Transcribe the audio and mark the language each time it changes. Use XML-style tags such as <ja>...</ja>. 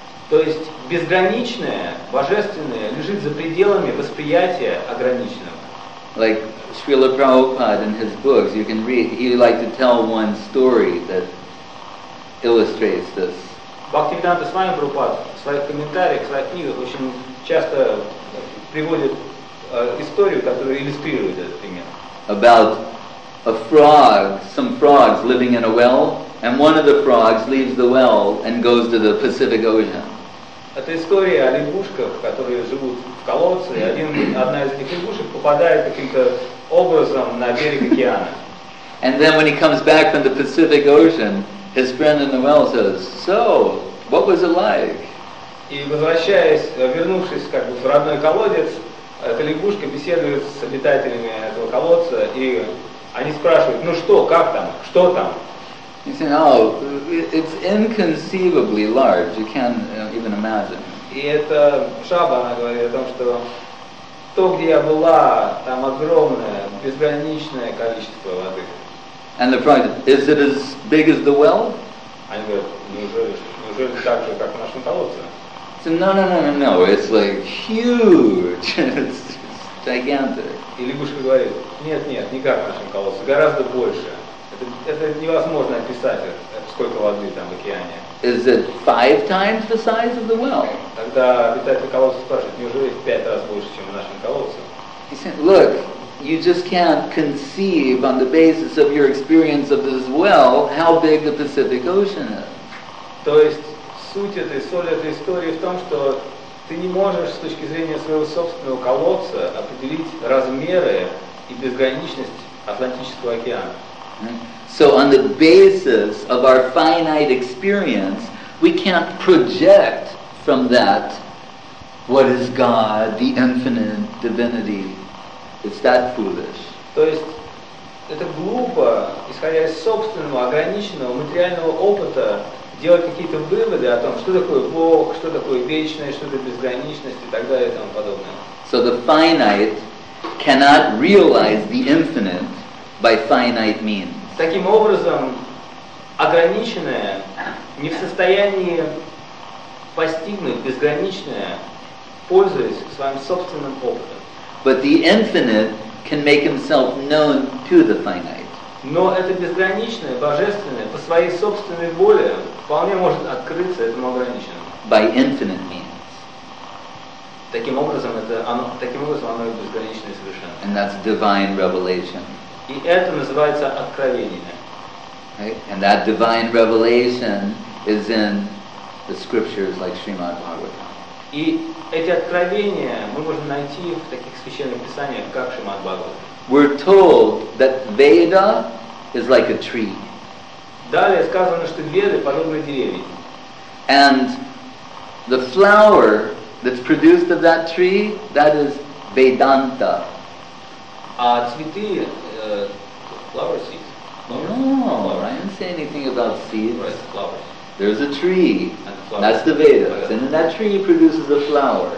<ru>То есть безграничное, божественное лежит за пределами восприятия ограниченного.</ru> <en>Like Srila Prabhupada in his books, you can read, he liked to tell one story that illustrates this.</en> <ru>Бхактивиданта Свами Прабхупад в своих комментариях, в своих книгах очень часто приводит историю, которая иллюстрирует этот пример.</ru> <en>About a frog, some frogs living in a well, and one of the frogs leaves the well and goes to the Pacific Ocean.</en> <ru>Это история о лягушках, которые живут в колодце, и одна из этих лягушек попадает каким-то образом на берег океана.</ru> <en>And then when he comes back from the Pacific Ocean, his friend in the well says, "So, what was it like?"</en> <ru>И возвращаясь, вернувшись как бы в родной колодец, эта лягушка беседует с обитателями этого колодца, и они спрашивают: "Ну что, как там? Что там?"</ru> <en>He said, "Oh, it's inconceivably large. You can't even imagine."</en> <ru>И эта шаба, она говорит о том, что то, где я была, там огромное, безграничное количество воды.</ru> <en>And the frog, is it as big as the well?</en> <ru>Они говорят, неужели так же, как в нашем колодце?</ru> <en>So, no, it's like huge, it's gigantic.</en> <ru>И лягушка говорит, нет, не как в нашем колодце, гораздо больше. Это невозможно описать, сколько воды там в океане.</ru> <en>Is it five times the size of the well?</en> <ru>Тогда обитатель колодца спрашивает, неужели в пять раз больше, чем в нашем колодце?</ru> <en>He said, look, you just can't conceive on the basis of your experience of this well how big the Pacific Ocean is.</en> <ru>То есть суть этой, соль этой истории в том, что ты не можешь с точки зрения своего собственного колодца определить размеры и безграничность Атлантического океана.</ru> <en>So on the basis of our finite experience, we can't project from that what is God, the infinite divinity. It's that foolish.</en> <ru>То есть это глупо, исходя из собственного ограниченного материального опыта, делать какие-то выводы о том, что такое Бог, что такое вечность, что такое безграничность и так далее и тому подобное.</ru> <en>So the finite cannot realize the infinite by finite means.</en> <ru>Таким образом, ограниченное не в состоянии постигнуть безграничное, пользуясь своим собственным опытом.</ru> <en>But the infinite can make himself known to the finite.</en> <ru>Но это безграничное, божественное, по своей собственной воле вполне может открыться этому ограниченному.</ru> <en>By infinite means.</en> <ru>Таким образом оно и безграничное совершенно.</ru> <en>And that's divine revelation.</en> <ru>И это называется откровение.</ru> <en>Right? And that divine revelation is in the scriptures like Srimad Bhagavatam.</en> <ru>И эти откровения мы можем найти в таких священных писаниях, как Шримад Бхагаватам.</ru> <en>We're told that Veda is like a tree.</en> <ru>Далее сказано, что Веды подобны деревьям.</ru> <en>And the flower that's produced of that tree, that is Vedanta.</en> <ru>А цветы,</ru> <en>flower seeds. I didn't say anything about seeds. Right, flowers. There's a tree. That's the Vedas. And that tree produces a flower.</en>